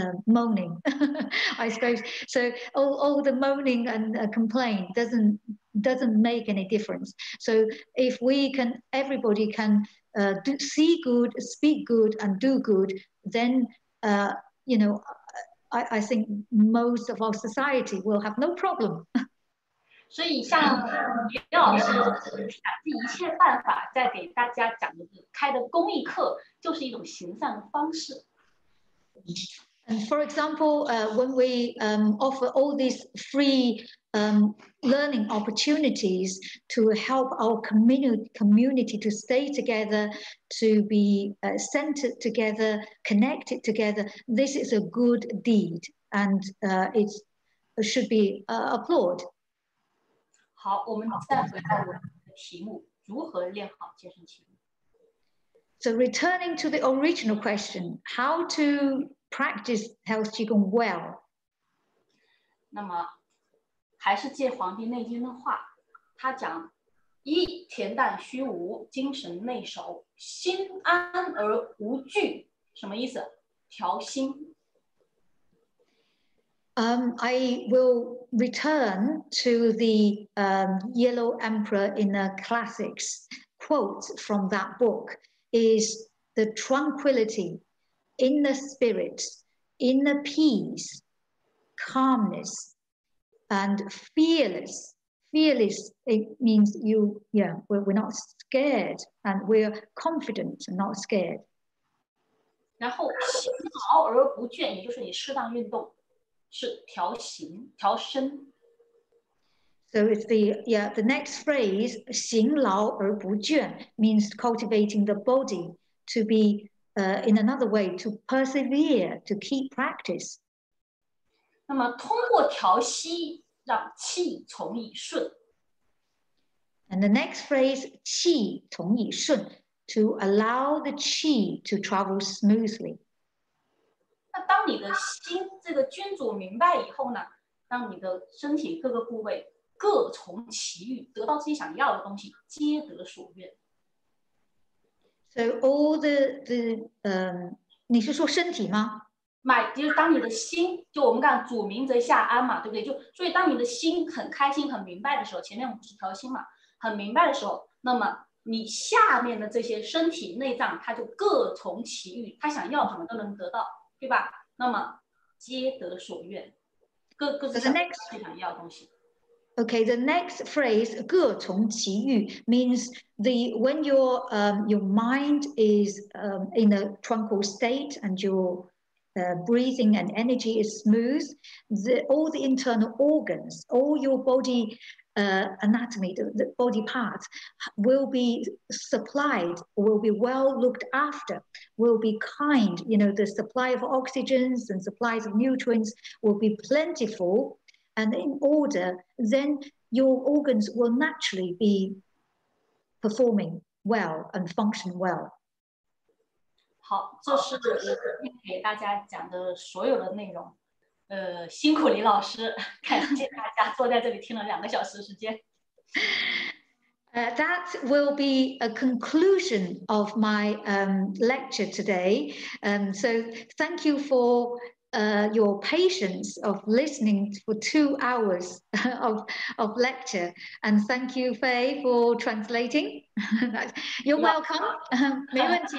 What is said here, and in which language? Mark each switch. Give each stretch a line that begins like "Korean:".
English: Moaning, I suppose. So all the moaning and complaint doesn't make any difference. So if we can, everybody can see good, speak good, and do good, then I think most of our society will have no problem.
Chinese: 所以像李老师想尽一切办法在给大家讲的开的公益课就是一种行善方式。
English: And for example, when we offer all these free learning opportunities to help our community to stay together, to be centered together, connected together, this is a good deed, and it should be applauded.
Chinese: 好，我们再回到我们的题目，如何练好健身气功？
English: So returning to the original question, how to practice health qigong well?
Chinese: 那么还是借《黄帝内经》的话，他讲一恬淡虚无，精神内守，心安而无惧，什么意思？调心。
English: I will return to the Yellow Emperor in the classics quote from that book. Is the tranquility, inner spirit, inner peace, calmness, and fearless. Fearless, it means you, yeah, we're not scared, and we're confident and not scared.
Chinese: 然后心劳而不倦，也就是你适当运动，是调形，调身。
English: So it's the next phrase,
Chinese: 行劳而不倦,
English: means cultivating the body to be, in another way, to persevere, to keep practice.
Chinese: 那么通过调息让气从以顺。
English: And the next phrase,
Chinese: 气从以顺,
English: to allow the qi to travel smoothly.
Chinese: 那当你的心这个君主明白以后呢，让你的身体各个部位各从其欲，得到自己想要的东西，皆得所愿。
English: So all the
Chinese: 你是说身体吗？买，就是当你的心，就我们讲主明则下安嘛，对不对？就所以当你的心很开心、很明白的时候，前面我们是调心嘛，很明白的时候，那么你下面的这些身体内脏，它就各从其欲，它想要什么都能得到，对吧？那么皆得所愿，各自想要自己想要的东西。
English: Okay, the next phrase,
Chinese: 各从其欲,
English: means when your mind is in a tranquil state and your breathing and energy is smooth, all the internal organs, all your body anatomy, the body parts will be supplied, will be well looked after, will be kind. You know, the supply of oxygens and supplies of nutrients will be plentiful. And in order, then your organs will naturally be performing well and function well.
Chinese: 好，这是我今天给大家讲的所有的内容。辛苦李老师，感谢大家坐在这里听了两个小时时间。
English: That will be a conclusion of my lecture today. So thank you for your patience of listening for 2 hours of lecture. And thank you, Faye, for translating. You're welcome.
Chinese: 没问题.